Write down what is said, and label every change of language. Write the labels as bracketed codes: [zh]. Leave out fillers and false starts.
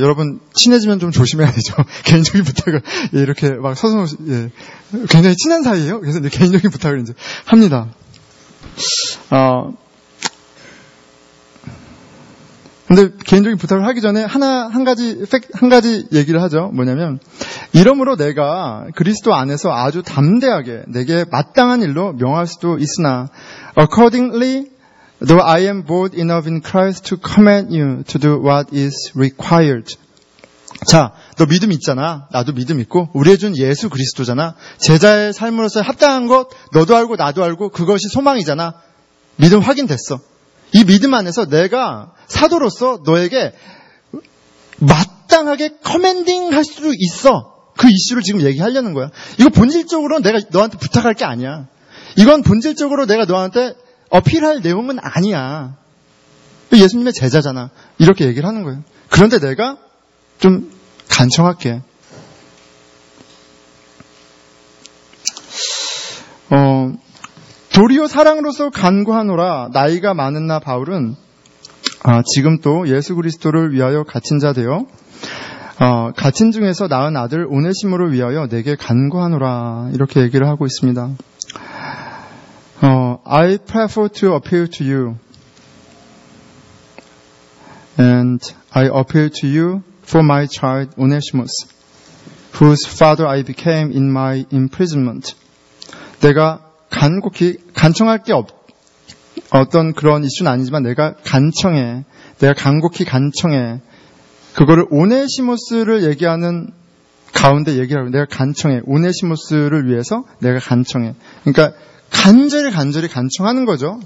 [ko] 여러분, 친해지면 좀 조심해야 되죠. 개인적인 부탁을 예, 이렇게 막 서서 예. 굉장히 친한 사이예요. 그래서 이제 개인적인 부탁을 이제 합니다. 근데 개인적인 부탁을 하기 전에 한 가지 얘기를 하죠. 뭐냐면 이러므로 내가 그리스도 안에서 아주 담대하게 내게 마땅한 일로 명할 수도 있으나 [en] accordingly though I am bold enough in Christ to command you to do what is required. [ko] 자, 너 믿음 있잖아. 나도 믿음 있고 우리의 주는 예수 그리스도잖아. 제자의 삶으로서 합당한 것 너도 알고 나도 알고 그것이 소망이잖아. 믿음 확인됐어. 이 믿음 안에서 내가 사도로서 너에게 마땅하게 커맨딩 할 수 있어. 그 이슈를 지금 얘기하려는 거야. 이거 본질적으로 내가 너한테 부탁할 게 아니야. 이건 본질적으로 내가 너한테 어필할 내용은 아니야. 예수님의 제자잖아. 이렇게 얘기를 하는 거예요. 그런데 내가 좀 간청할게. 도리어 사랑으로서 간구하노라. 나이가 많은 나 바울은 지금도 예수 그리스도를 위하여 갇힌 자 되어 갇힌 중에서 낳은 아들 오네시모를 위하여 내게 간구하노라. 이렇게 얘기를 하고 있습니다. [en] I prefer to appeal to you. And I appeal to you for my child Onesimus, whose father I became in my imprisonment. [ko] 내가 간곡히 간청할 게 어떤 그런 이슈는 아니지만 내가 간청해. 내가 간곡히 간청해. 그거를 오네시모스를 얘기하는 가운데 얘기하고 내가 간청해. 오네시모스를 위해서 내가 간청해. 그러니까 간절히 간절히 간청하는 거죠.